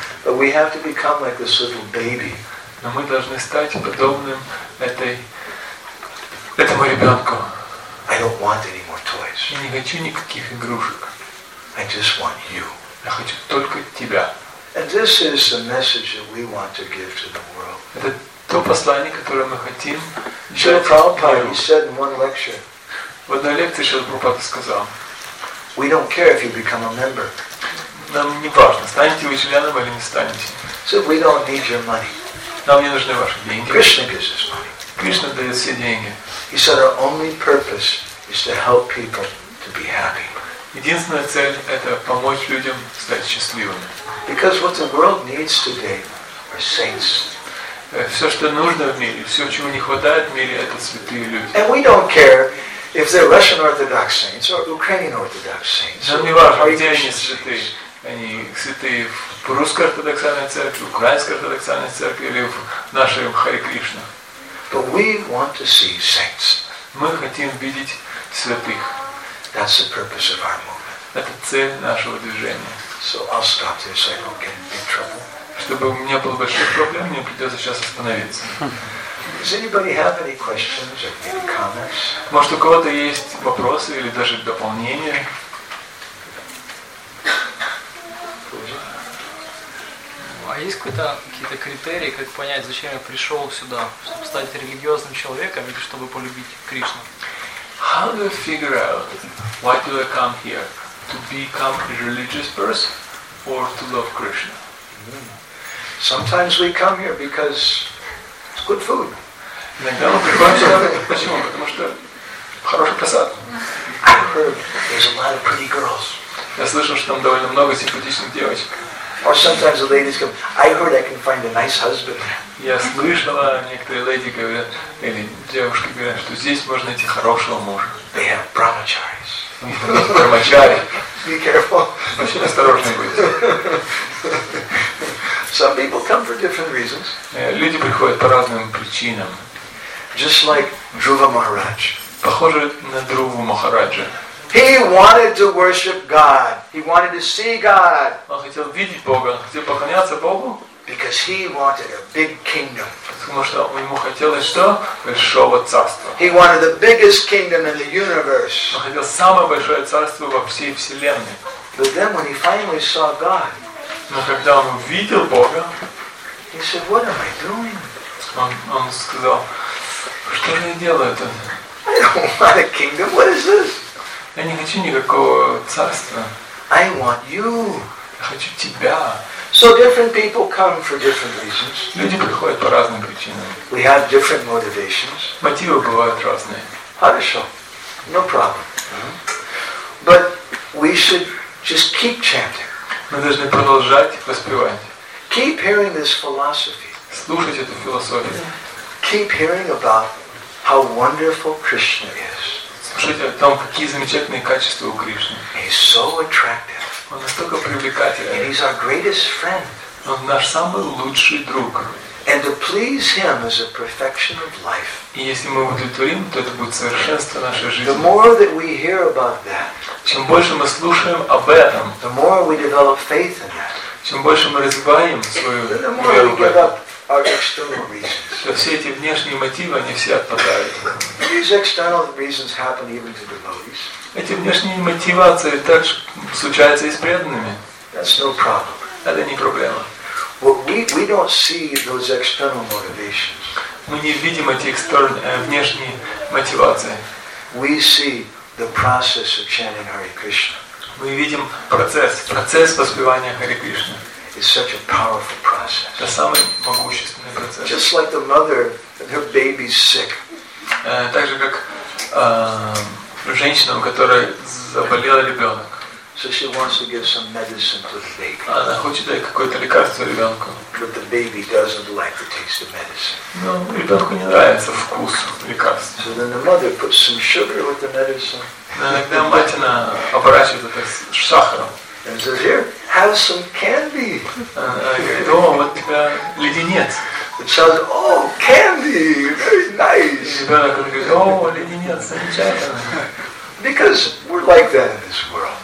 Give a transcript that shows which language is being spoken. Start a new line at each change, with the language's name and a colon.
English: But we have to become like this little baby.
Russian: Но мы должны стать подобным этому ребенку.
English: I don't want any more toys.
Russian: Я не хочу никаких игрушек.
English: I just want you.
Russian: Я хочу только тебя.
English: And this is the message that we want to give to the world.
Russian: Это то послание, которое мы хотим.
English: Шрила Прабхупада said in one lecture.
Russian: В одной лекции Шрила Прабхупада сказал.
English: We don't care if you become a member.
Russian: Нам не важно, станете вы членом или не станете.
English: So we don't need your money.
Russian: Нам не нужны ваши деньги.
English: Krishna gives us money.
Russian: Кришна дает все деньги.
English: He said our only purpose is to help people to be happy.
Russian: Единственная цель – это помочь людям стать счастливыми.
English: Because what the world needs today are saints.
Russian: Все, что нужно в мире, все, чего не хватает в мире, это святые люди.
English: And we don't care if they're Russian Orthodox saints or Ukrainian Orthodox saints.
Russian: Нам не важно, где они святые. они святые в русской ортодоксальной церкви, в украинской ортодоксальной церкви или в нашей Харе Кришна.
English: But we want to see saints.
Russian: Мы хотим видеть святых.
English: That's the purpose of our movement.
Russian: Это цель нашего движения.
English: So I'll stop there so I don't get in big trouble.
Russian: Чтобы у меня было большое проблем, мне придется сейчас остановиться.
English: Does anybody have any questions or any comments?
Russian: Может, у кого-то есть вопросы или даже дополнения? А есть какие-то критерии, как понять, зачем я пришел сюда, чтобы стать религиозным человеком или чтобы полюбить Кришну?
English: How do you figure out why do I come here? To become a religious person or to love Krishna? Sometimes we come here because it's good food.
Russian: Иногда мы приходим сюда, почему? Потому что хороший просад.
English: I heard there's a lot of pretty girls.
Russian: Я слышал, что там довольно много симпатичных девочек.
English: Or sometimes the ladies come, I heard I can find a nice husband.
Russian: Я слышала, некоторые леди говорят, или девушки говорят, что здесь можно найти хорошего мужа.
English: They have brahmacharis.
Russian: Брахмачари.
English: Be careful.
Russian: Очень осторожны будьте.
English: Some people come for different reasons.
Russian: Люди приходят по разным причинам.
English: Just like Dhruva Maharaj.
Russian: Похоже на Дхруву Махараджа.
English: He wanted to worship God. He wanted to see God.
Russian: Он хотел видеть Бога, хотел поклоняться Богу.
English: Because he wanted a big kingdom.
Russian: Потому что ему хотелось что? Большого царства.
English: He wanted the biggest kingdom in the universe.
Russian: Он хотел самое большое царство во всей вселенной.
English: But then when he finally saw God,
Russian: но когда он увидел Бога,
English: he said, "What am I doing?"
Russian: Он сказал, что я делаю тут?
English: I don't want a kingdom. What is this?
Russian: Я не хочу никакого царства.
English: I want you.
Russian: Я хочу тебя.
English: So different people come for different reasons.
Russian: Люди приходят по разным причинам.
English: We have different motivations.
Russian: Мотивы бывают разные. Хорошо.
English: No problem. But we should just keep chanting.
Russian: Мы должны продолжать воспевать.
English: Keep hearing this philosophy.
Russian: Слушать эту философию.
English: Keep hearing about how wonderful Krishna is.
Russian: Слушайте о том, какие замечательные качества у Кришны.
English: He's so attractive.
Russian: Он настолько привлекателен.
English: And he's our greatest friend.
Russian: Он наш самый лучший друг.
English: And to please him is a perfection of life.
Russian: И если мы удовлетворим, то это будет совершенство нашей жизни.
English: The more that we hear about that,
Russian: чем больше мы слушаем об этом,
English: the more we develop faith in that.
Russian: Чем больше мы развиваем свою веру,
English: the more we give up our external reasons.
Russian: То все эти внешние мотивы, они все отпадают.
English: These external reasons happen even to devotees.
Russian: Эти внешние мотивации так случаются и с преданными.
English: That's no problem.
Russian: Это не проблема.
English: But we don't see those external motivations.
Russian: Мы не видим эти внешние мотивации.
English: We see the process of chanting Hare Krishna.
Russian: Мы видим процесс воспевания Харе Кришны.
English: It's such a powerful process.
Russian: Это самый могущественный процесс.
English: Just like the mother and her baby's sick.
Russian: Так же как женщина, у которой заболел ребенок.
English: So she wants to give some medicine to the baby.
Russian: Она хочет дать какое-то лекарство ребенку.
English: But the baby doesn't like the taste of medicine.
Russian: Ну, ребенку не нравится вкус лекарства.
English: So then the mother puts some sugar with the medicine.
Russian: Иногда мать она оборачивает это с сахаром.
English: And says, "Here, have some candy."
Russian: Вот леденец.
English: The child says, "Oh, candy, very nice."
Russian: Ребенок говорит, "О, леденец, замечательно."
English: Because we're like that in this world.